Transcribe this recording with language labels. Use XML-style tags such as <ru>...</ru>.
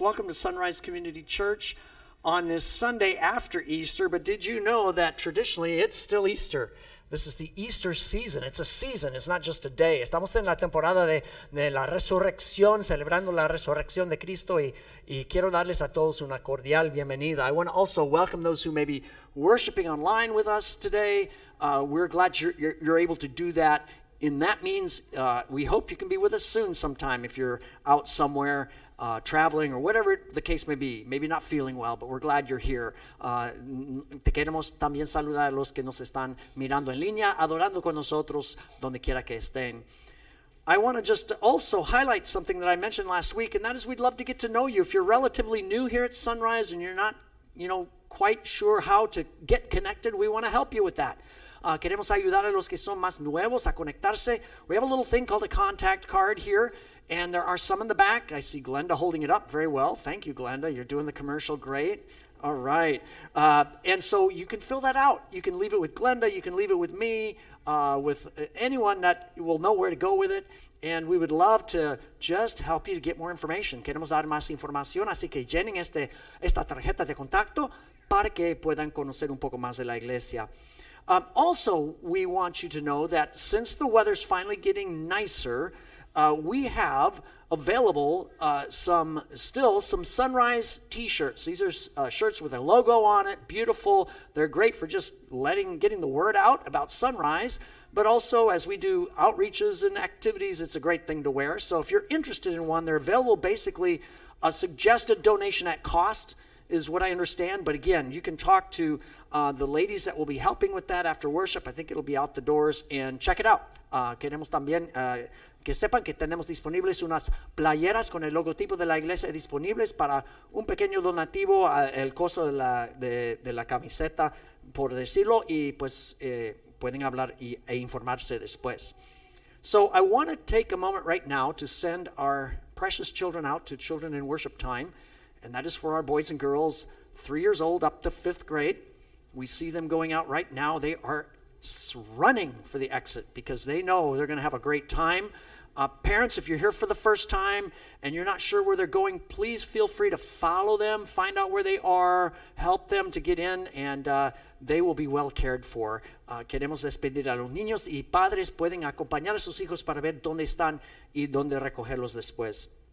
<en>Welcome to Sunrise Community Church on this Sunday after Easter. But did you know that traditionally it's still Easter? This is the Easter season. It's a season. It's not just a day.</en> <es>Estamos en la temporada de la resurrección, celebrando la resurrección de Cristo, y quiero darles a todos una cordial bienvenida.</es> <en>I want to also welcome those who may be worshiping online with us today. We're glad you're able to do that. And that means we hope you can be with us soon sometime if you're out somewhere traveling or whatever the case may be. Maybe not feeling well, but we're glad you're here.</en> <es>Te queremos también saludar a los que nos están mirando en línea, adorando con nosotros, donde quiera que estén.</es> <en>I want to just also highlight something that I mentioned last week, and that is we'd love to get to know you. If you're relatively new here at Sunrise and you're not, you know, quite sure how to get connected, we want to help you with that.</en> <es>Queremos ayudar a los que son más nuevos a conectarse.</es> <en>We have a little thing called a contact card here, and there are some in the back. I see Glenda holding it up very well. Thank you, Glenda. You're doing the commercial great. All right. And so you can fill that out. You can leave it with Glenda. You can leave it with me, with anyone that will know where to go with it. And we would love to just help you to get more information.</en> <es>Queremos dar más información, así que llenen esta tarjeta de contacto para que puedan conocer un poco más de la iglesia.</es> <en>Also, we want you to know that since the weather's finally getting nicer, we have available some Sunrise t-shirts. These are shirts with a logo on it, beautiful. They're great for just getting the word out about Sunrise. But also, as we do outreaches and activities, it's a great thing to wear. So if you're interested in one, they're available. Basically, a suggested donation at cost is what I understand. But again, you can talk to the ladies that will be helping with that after worship. I think it'll be out the doors, and check it out.</en> <es>Queremos también que sepan que tenemos disponibles unas playeras con el logotipo de la iglesia disponibles para un pequeño donativo al costo de la camiseta, por decirlo, y pues pueden hablar e informarse después.</es> <en>So I want to take a moment right now to send our precious children out to children in worship time, and that is for our boys and girls 3 years old up to fifth grade. We see them going out right now. They are running for the exit because they know they're going to have a great time. Parents, if you're here for the first time and you're not sure where they're going, please feel free to follow them, find out where they are, help them to get in, and they will be well cared for.</en> <es>Queremos despedir a los niños y padres pueden acompañar a sus hijos para ver dónde están y dónde recogerlos después.</es>